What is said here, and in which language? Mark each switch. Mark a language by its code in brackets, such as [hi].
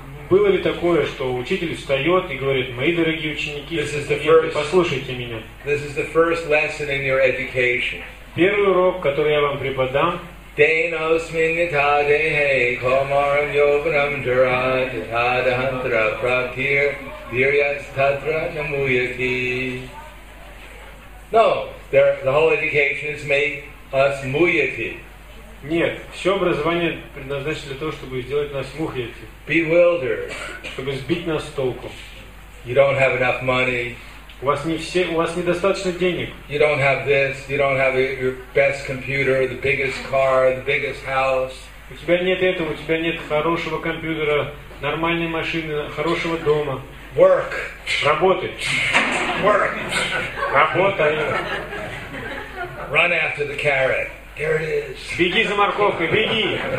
[ru] Было ли такое, что учитель встает и говорит, мои дорогие ученики, послушайте меня? [en] This is the first lesson in your education. [ru] Первый урок, который я вам преподам. [sa] Dehnosmi nita dehe komaram yoganam jara tata dahantra pratir dhiryas tatra namuyati. [en] No, the whole education is made us muyati. [ru] Нет, все образование предназначено для того, чтобы сделать нас мухьяти. [en] Bewildered. [ru] Чтобы сбить нас с толку. [en] You don't have enough money. [ru] У вас не все, у вас недостаточно денег. [en] You don't have this, you don't have your best computer, the biggest car, the biggest house. [ru] У тебя нет этого, у тебя нет хорошего компьютера, нормальной машины, хорошего дома. [en] Work. [ru] Работай. [en] Work. [ru] Работай. [en] Run after the carrot. There it is. [ru] Беги за морковкой, беги.